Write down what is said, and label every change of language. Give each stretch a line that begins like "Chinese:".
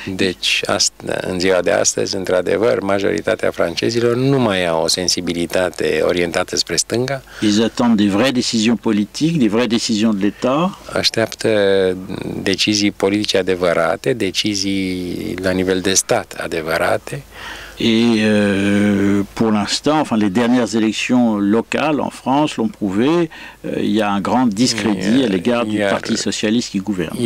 Romanian: Deci în ziua de astăzi într-adevăr majoritatea francezilor nu mai au o sensibilitate orientată spre stânga.
French: Ils attendent des vraies décisions politiques, des vraies décisions de l'État.
Romanian: Așteaptă decizii politice adevărate, decizii la nivel de stat adevărate.
French: Et pour l'instant, enfin les dernières élections locales en France l'ont prouvé, il y a un grand discrédit à l'égard du Parti Socialiste qui gouverne.